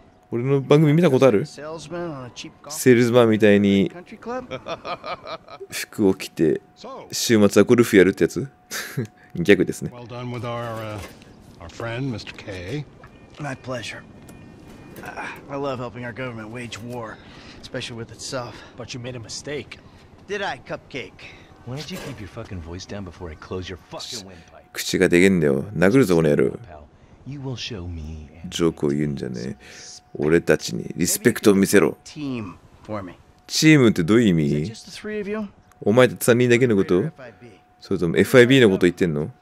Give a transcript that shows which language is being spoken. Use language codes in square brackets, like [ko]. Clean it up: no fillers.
[ja] 俺の番組見たことある？セールスマンみたいに服を着て週末はゴルフやるってやつ？ギャグですね。 [en] Well done with our friend, Mr. K. My pleasure. I love helping our government wage war. Especially with itself. But you made a mistake. Did I, cupcake? Why don't you keep your fucking voice down before I close your fucking windpipe? [ja] 口がでけんだよ。殴るぞ、この野郎。 [en] You will show me. [ja] ジョークを言うんじゃねえ。俺たちにリスペクトを見せろ。 [en] Team for me. [ja] チームってどういう意味？ [en] Is it just the three of you? [ja] お前たち3人だけのこと？それとも FIB のこと言ってんの？